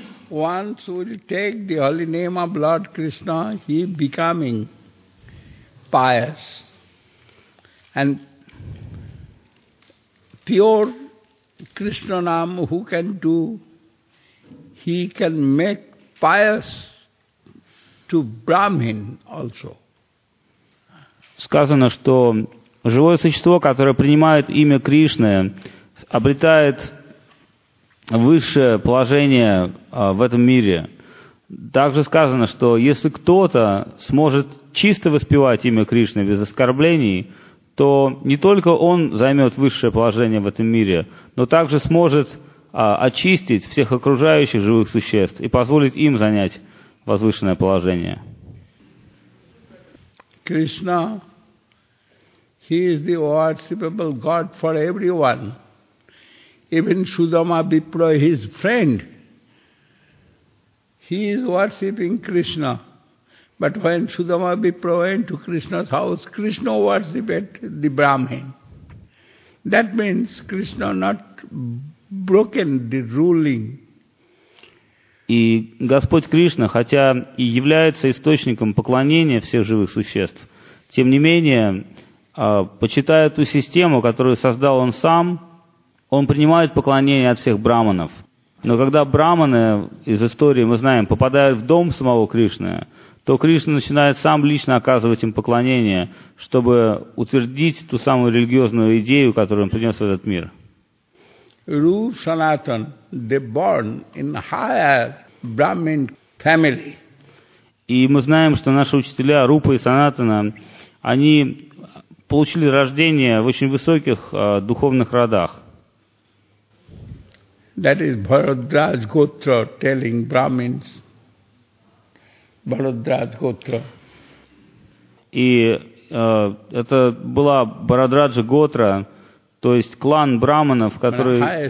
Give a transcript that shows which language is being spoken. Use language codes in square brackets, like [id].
[en] Once we take the holy name of Lord Krishna, he becoming pious and pure Krishna name, who can do? He can make pious to Brahmin also. [ru] Сказано, что живое существо, которое принимает имя Кришны, обретает высшее положение в этом мире. Также сказано, что если кто-то сможет чисто воспевать имя Кришны без оскорблений, то не только он займет высшее положение в этом мире, но также сможет очистить всех окружающих живых существ и позволить им занять возвышенное положение. [en] Krishna, he is the worshipable God for everyone. Even Sudama Vipra, his friend, he is worshipping Krishna. But when Sudama Vipra went to Krishna's house, Krishna worshipped the Brahmin. That means Krishna not broken the ruling. [ru] И Господь Кришна, хотя и является источником поклонения всех живых существ, тем не менее, почитая ту систему, которую создал Он Сам, Он принимает поклонение от всех браманов. Но когда браманы из истории, мы знаем, попадают в дом самого Кришны, то Кришна начинает Сам лично оказывать им поклонение, чтобы утвердить ту самую религиозную идею, которую Он принес в этот мир. [en] Rupa Sanatan, they born in higher Brahmin family. [ru] И мы знаем, что наши учителя Рупа и Санатана, они получили рождение в очень высоких духовных родах. [en] That is Bharadraj Gotra telling Brahmins. Bharadraj Gotra. [ru] И это была Бхарадраджа Готра, то есть клан браманов, который...